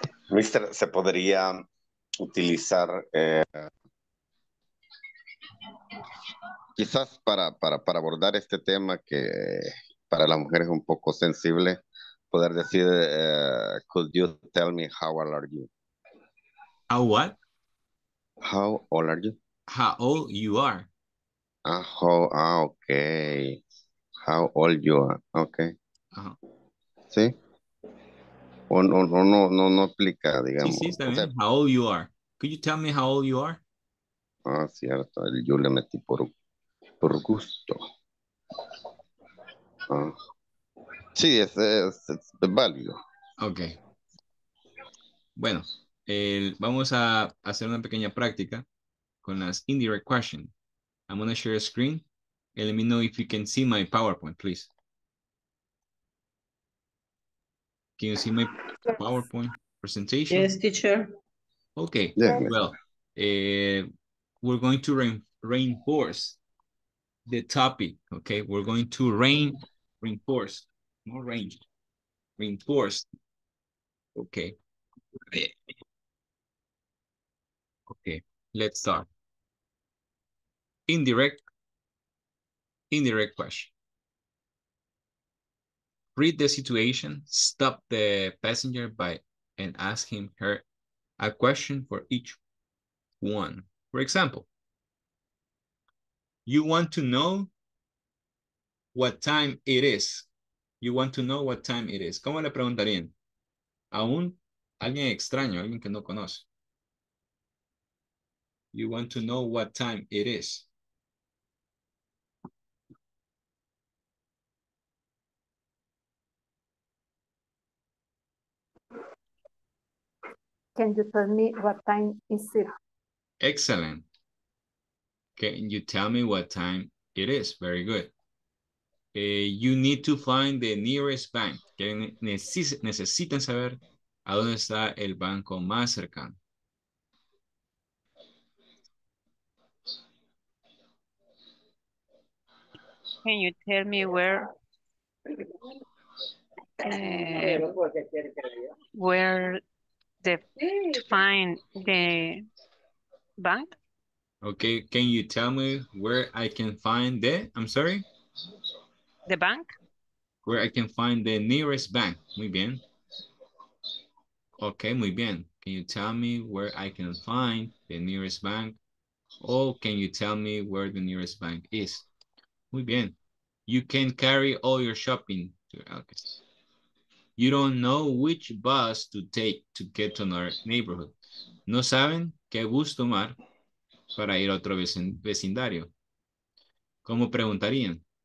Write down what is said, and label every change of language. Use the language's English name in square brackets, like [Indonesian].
[Spanish] Mister, ¿se podría utilizar quizás para abordar este tema que para la mujer es un poco sensible? Poder decir, [English] could you tell me how old are you? How what? How old are you? How old you are. Okay. How old you are, okay. Uh-huh. [Spanish] ¿Sí? O no aplica, digamos. Sí, está bien. [English] How old you are. Could you tell me how old you are? [Spanish] Ah, cierto. Yo le metí por gusto. Ah. Sí, es válido. [English] Ok. [Spanish] Bueno, vamos a hacer una pequeña práctica con las indirect questions. [English] I'm going to share a screen. And let me know if you can see my PowerPoint, please. Can you see my PowerPoint presentation? Yes, teacher. Okay. Yeah. Well, we're going to reinforce the topic. Okay. We're going to reinforce. More range. Reinforce. Okay. Okay. Let's start. Indirect question. Read the situation, stop the passenger by and ask him her a question for each one. For example, you want to know what time it is. You want to know what time it is. [Spanish] ¿Cómo le preguntarían? A un alguien extraño, alguien que no conoce. [English] You want to know what time it is. Can you tell me what time is it? Excellent. Can you tell me what time it is? Very good. You need to find the nearest bank. [Spanish] Necesitan saber a dónde está el banco más cercano. [English] Can you tell me where? To find the bank. Okay, can you tell me where I can find the, I'm sorry? The bank? Where I can find the nearest bank. [Spanish] Muy bien. [English] Okay, [Spanish] muy bien. [English] Can you tell me where I can find the nearest bank? Or can you tell me where the nearest bank is? [Spanish] Muy bien. [English] You can carry all your shopping to Alcatraz. You don't know which bus to take to get to another neighborhood. [Spanish] No saben qué bus tomar para ir a otro vecindario. ¿Cómo preguntarían?